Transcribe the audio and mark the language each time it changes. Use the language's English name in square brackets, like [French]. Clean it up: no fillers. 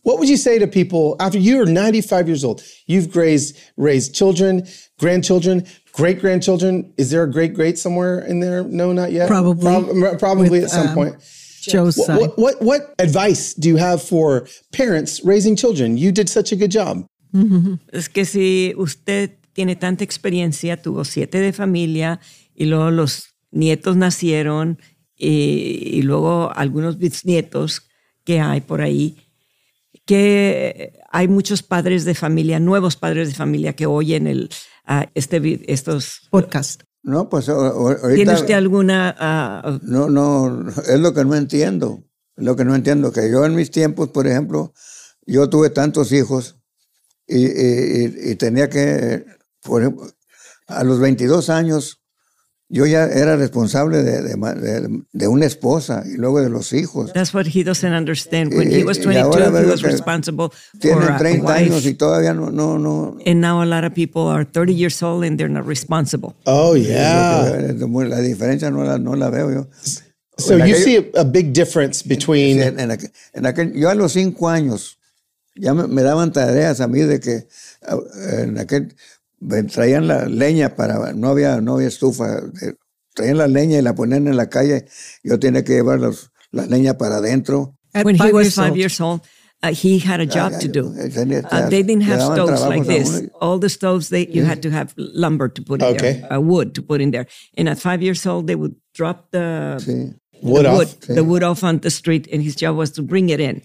[English] What would you say to people after you're 95 years old, you've raised children, grandchildren, great-grandchildren? Is there a great-great somewhere in there? No, not yet. Probably at some point. Joe's side. What advice do you have for parents raising children? You did such a good job. Mm-hmm. [Spanish] Es que si usted tiene tanta experiencia, tuvo siete de familia, y luego los nietos nacieron, y luego algunos bisnietos que hay por ahí, que hay muchos padres de familia, nuevos padres de familia que oyen estos [English] podcasts. [Spanish] No, pues ahorita... ¿Tiene usted alguna...? No, es lo que no entiendo. Que yo en mis tiempos, por ejemplo, yo tuve tantos hijos y tenía que... Por ejemplo, a los 22 años, yo ya era responsable de una esposa y luego de los hijos. [English] That's what he doesn't understand. When he was 22, he was responsible for a wife. [Spanish] Tienen 30 años y todavía no. [English] And now a lot of people are 30 years old and they're not responsible. Oh, yeah. [Spanish] La diferencia no la veo yo. [English] So you see a big difference between... [Spanish] Yo a los 5 años, ya me daban tareas a mí de que en aquel... Traían la leña para, no había estufa, traían la leña y la ponían en la calle. Yo tenía que llevar la leña para adentro. [English] When he was 5 years old, he had a job to do. They didn't have stoves like this. All the stoves, you had to have lumber to put in there, wood to put in there. And at 5 years old, they would drop the wood off on the street, and his job was to bring it in.